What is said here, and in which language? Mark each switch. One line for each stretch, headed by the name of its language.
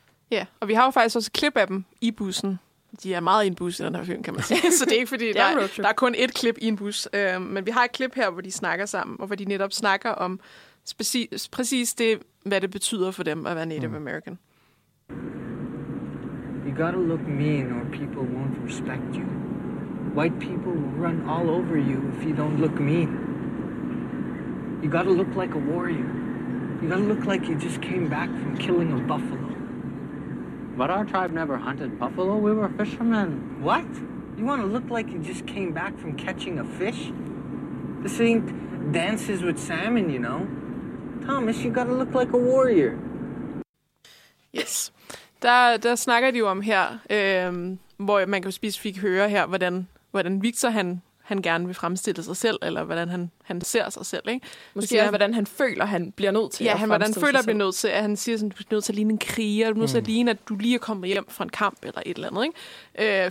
Danish: Ja, og vi har jo faktisk også et klip af dem i bussen. De er meget i en bus i den her film, kan man sige. Så det er ikke, fordi der er kun et klip i en bus. Men vi har et klip her, hvor de snakker sammen, og hvor de netop snakker om præcis det, hvad det betyder for dem at være Native American.
English: You gotta look mean, or people won't respect you. White people will run all over you if you don't look mean. You gotta look like a warrior. You gotta look like you just came back from killing a buffalo. But our tribe never hunted buffalo. We were fishermen. What? You want to look like you just came back from catching a fish? This ain't Dances with Salmon, you know. Thomas, you gotta look like a warrior. Yes.
Danish: Der snakker de jo om her, hvor man kan specifikt høre her, hvordan Victor han gerne vil fremstille sig selv, eller hvordan han ser sig selv, ikke? Måske siger, hvordan han føler, han bliver nødt til at fremstille sig selv. Ja, hvordan han føler, at bliver nødt til, at han siger, sådan, at du bliver nødt til at ligne en kriger, du bliver nødt til at ligne, at du lige er kommet hjem fra en kamp, eller et eller andet, ikke?